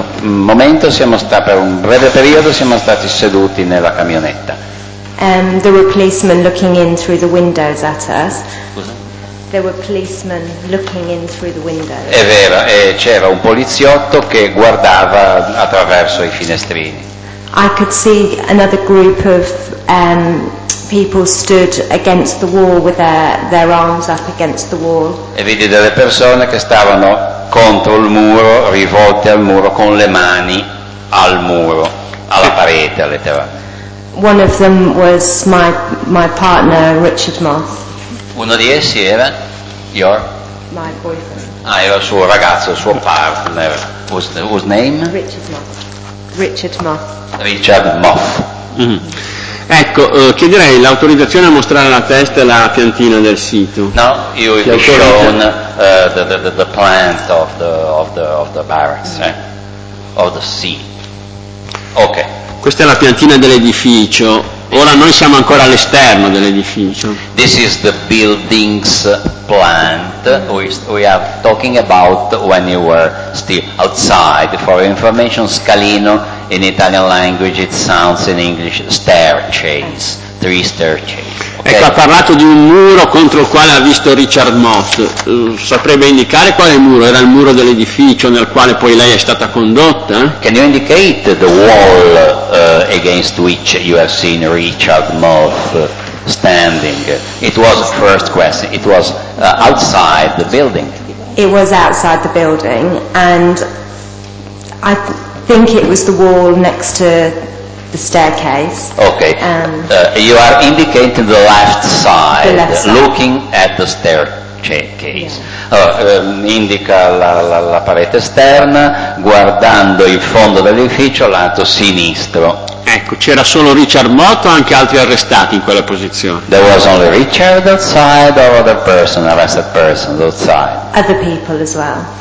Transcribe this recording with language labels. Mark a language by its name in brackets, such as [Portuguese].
[Italian] Per un breve periodo siamo stati seduti nella camionetta. [English] There were policemen looking in through the windows at us. [Italian] È vero, c'era un poliziotto che guardava attraverso i finestrini. [English] I could see another group of people stood against the wall with their arms up against the wall. [Italian] E vidi delle persone che stavano contro il muro, rivolte al muro, con le mani al muro, alla parete, letteralmente. [English] One of them was my partner, Richard Moss. [Italian] Uno di essi era your? [English] My boyfriend. [Italian] Ah, era il suo ragazzo, il suo partner. [English] Whose name? Richard Moss. Mm-hmm. [Italian] Ecco, chiederei l'autorizzazione a mostrare la testa e la piantina del sito. [English] No, you have shown the plant of the barracks, of the sea. Ok. [Italian] Questa è la piantina dell'edificio. Ora noi siamo ancora all'esterno dell'edificio. [English] This is the building's plant. We are talking about when you were still outside. For information, scalino in Italian language it sounds in English staircase, three staircase. Okay. [Italian] Ecco, ha parlato di un muro contro il quale ha visto Richard Moss. Saprebbe indicare quale muro? Era il muro dell'edificio nel quale poi lei è stata condotta? [English] Can you indicate the wall against which you have seen Richard Moss standing? It was the first question. It was outside the building. It was outside the building, and I think it was the wall next to the staircase. Okay. You are indicating the left side, looking at the staircase. Yeah. [Italian] Indica la parete esterna, guardando il fondo dell'edificio, lato sinistro. Ecco, c'era solo Richard Motto, anche altri arrestati in quella posizione. [English] There was only Richard outside or other person, arrested person outside. Other people as well.